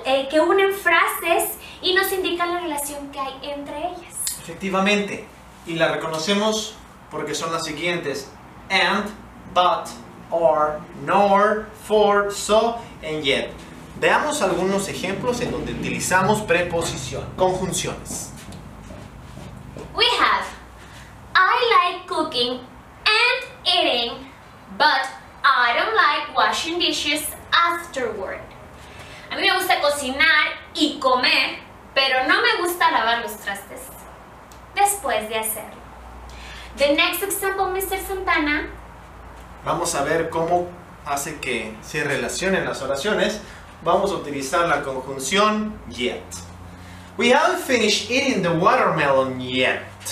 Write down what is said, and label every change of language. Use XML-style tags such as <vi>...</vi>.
<es>Que unen frases y nos indican la relación que hay entre ellas. Efectivamente, y la reconocemos porque son las siguientes: and, but, or, nor, for, so, and yet. Veamos algunos ejemplos en donde utilizamos preposición, conjunciones.</es> <en>We have, I like cooking and eating, but I don't like washing dishes afterward.</en> <es>A mí me gusta cocinar y comer, pero no me gusta lavar los trastes después de hacerlo.</es> <en>The next example, Mr. Santana.</en> <es>Vamos a ver cómo hace que se relacionen las oraciones. Vamos a utilizar la conjunción yet.</es> <en>We haven't finished eating the watermelon yet.</en>